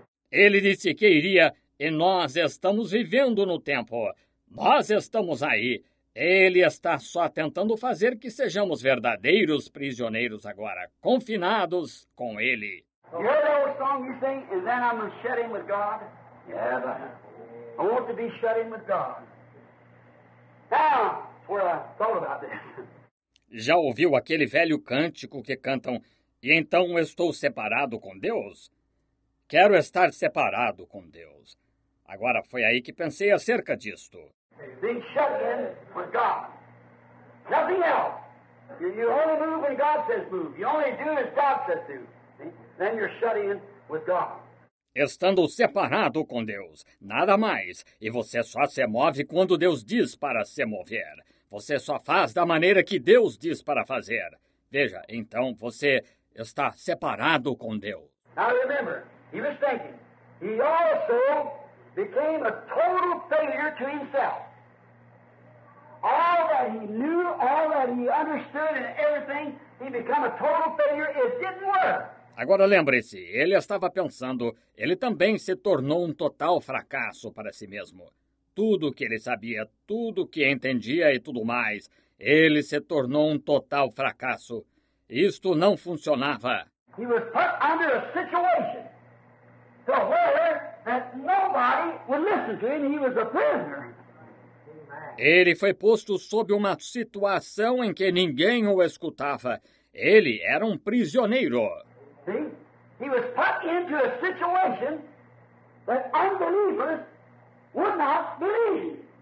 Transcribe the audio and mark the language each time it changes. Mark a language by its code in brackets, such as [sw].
[pt] Ele disse que iria, e nós estamos vivendo no tempo. Nós estamos aí. Ele está só tentando fazer que sejamos verdadeiros prisioneiros agora, confinados com ele. [en] You hear the old song you sing, and then I'm going to shut in with God? Yeah, I want to be shut in with God. Now, that's what I thought about this. [pt] Já ouviu aquele velho cântico que cantam, e então estou separado com Deus? Quero estar separado com Deus. Agora foi aí que pensei acerca disto. [en] Being shut in with God. Nothing else. You only move when God says move. You only do as God says do. Then you're shut in with God. [pt] Estando separado com Deus, nada mais. E você só se move quando Deus diz para se mover. Você só faz da maneira que Deus diz para fazer. Veja, então você está separado com Deus. [en] Now remember, he was thinking. He also became a total failure to himself. All that he knew, all that he understood and everything, he became a total failure. It didn't work. [pt] Agora lembre-se, ele estava pensando, ele também se tornou um total fracasso para si mesmo. Tudo o que ele sabia, tudo o que entendia e tudo mais, ele se tornou um total fracasso. Isto não funcionava. [en] He was put under a situation to where that nobody would listen to him. He was a prisoner. [pt] Ele foi posto sob uma situação em que ninguém o escutava. Ele era um prisioneiro. [en] See? He was put into a situation that unbelievers would not believe.